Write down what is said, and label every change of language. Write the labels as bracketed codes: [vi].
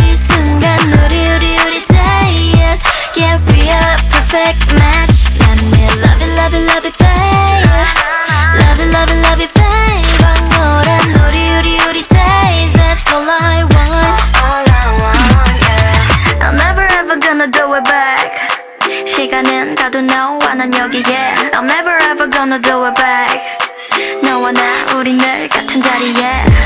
[ko] 이 순간 우리 우리 우리 day. [en] Yes, yeah, we are perfect match. Love it, love it, babe. Love it, love it, love it, babe. [ko] 광노란 우리 우리 우리 days. [en] That's all I want. All I want, yeah. I'm never ever gonna do it back. [ko] 시간은 가도 너와 난 여기, yeah. [en] I'm never ever gonna do it back. [ko] 너와 나 우리 늘 같은 자리, yeah.